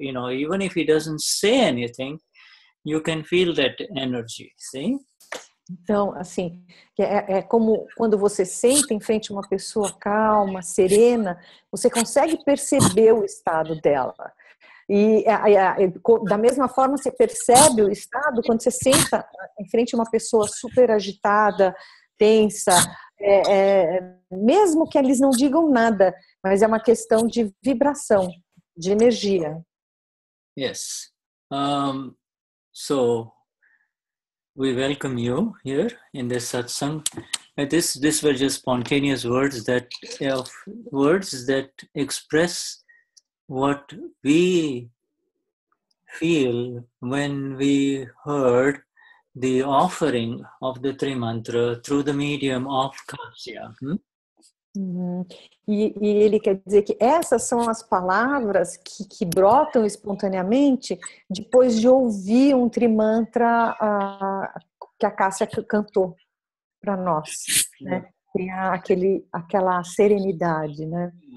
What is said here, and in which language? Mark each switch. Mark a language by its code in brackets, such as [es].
[en] You know, even if he doesn't say anything, you can feel that energy. See? [pt] Então, assim, é como quando você senta em frente a uma pessoa calma, serena, você consegue perceber o estado dela. E da mesma forma você percebe o estado quando você senta em frente a uma pessoa super agitada, tensa, mesmo que eles não digam nada, mas é uma questão de vibração, de energia. [en] Yes. So we welcome you here in this satsang. This were just spontaneous words that express what we feel when we heard the offering of the Trimantra through the medium of Kasia. [pt] E ele quer dizer que essas são as palavras que brotam espontaneamente depois de ouvir um Trimantra que a Kasia cantou para nós, né? Criar aquela serenidade, né?